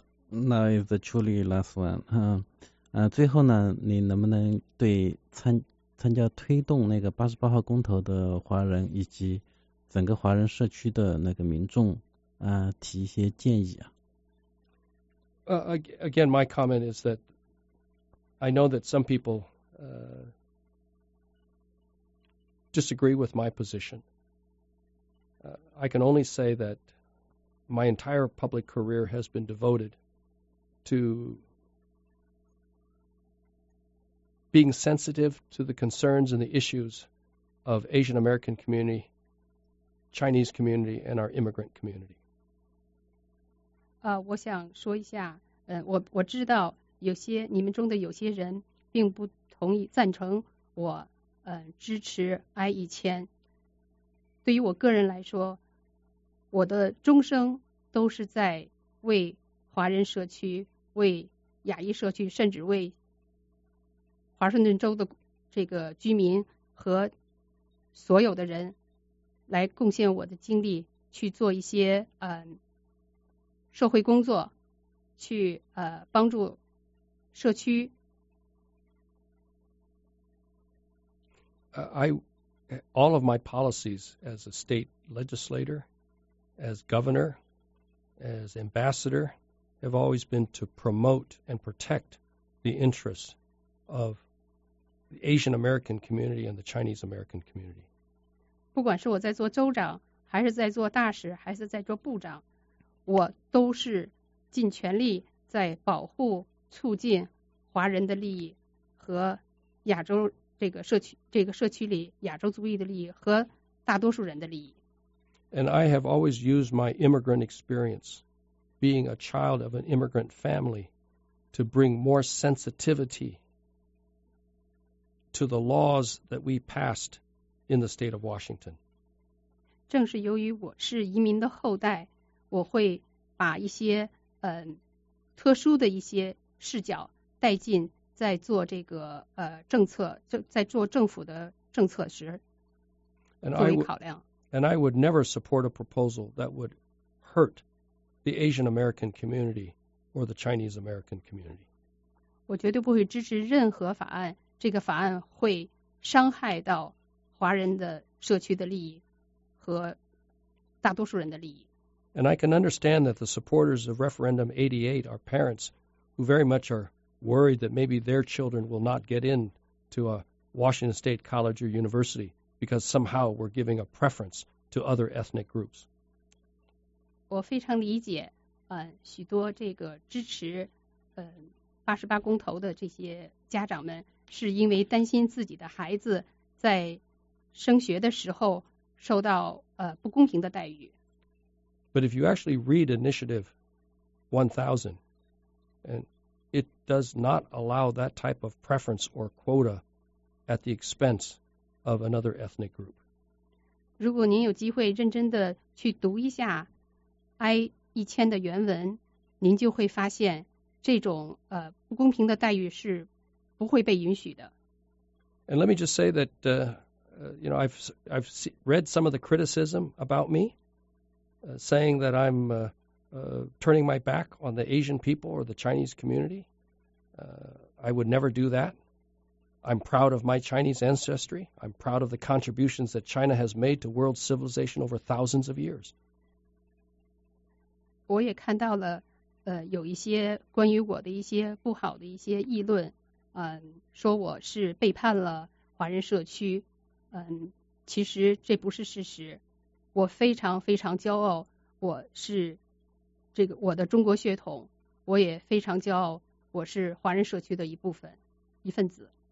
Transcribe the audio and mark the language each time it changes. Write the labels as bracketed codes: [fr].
[en] Now is the truly last one. [zh] 最后呢，你能不能对参加推动那个88号公投的华人以及整个华人社区的那个民众提一些建议啊？ [en] Again, my comment is that I know that some people disagree with my position. I can only say that my entire public career has been devoted to being sensitive to the concerns and the issues of Asian American community, Chinese community, and our immigrant community. [zh] 我想说一下，我知道有些你们中的有些人并不同意赞成我支持 I-1000。对于我个人来说，我的终生都是在为华人社区、为亚裔社区，甚至为华盛顿州的这个居民和所有的人来贡献我的精力，去做一些社会工作，去帮助社区。 [en] All of my policies as a state legislator, as governor, as ambassador, have always been to promote and protect the interests of the Asian American community and the Chinese American community. [zh] 不管是我在做州长，还是在做大使，还是在做部长，我都是尽全力在保护、促进华人的利益和亚洲这个社区里亚洲族裔的利益和大多数人的利益。 [en] And I have always used my immigrant experience, being a child of an immigrant family, to bring more sensitivity to the laws that we passed in the state of Washington. [zh] 正是由于我是移民的后代，我会把一些特殊的一些视角带进在做这个政策，在做政府的政策时作为考量。 [en] And I would never support a proposal that would hurt the Asian American community or the Chinese American community. [zh] 我绝对不会支持任何法案，这个法案会伤害到华人的社区的利益和大多数人的利益。 [en] And I can understand that the supporters of Referendum 88 are parents who very much are worried that maybe their children will not get in to a Washington State College or University because somehow we're giving a preference to other ethnic groups. [zh] 我非常理解许多这个支持88公投的这些家长们是因为担心自己的孩子在升学的时候受到不公平的待遇。 [en] But if you actually read Initiative 1000, and it does not allow that type of preference or quota at the expense of another ethnic group. [zh] 如果您有机会认真的去读一下 I-1000 的原文，您就会发现这种不公平的待遇是不会被允许的。 [en] And let me just say that, I've read some of the criticism about me, saying that I'm turning my back on the Asian people or the Chinese community. I would never do that. I'm proud of my Chinese ancestry. I'm proud of the contributions that China has made to world civilization over thousands of years. [zh] 我也看到了有一些关于我的一些不好的一些议论，说我是背叛了华人社区，嗯，其实这不是事实。我非常非常骄傲，我是这个我的中国血统，我也非常骄傲，我是华人社区的一部分，一份子。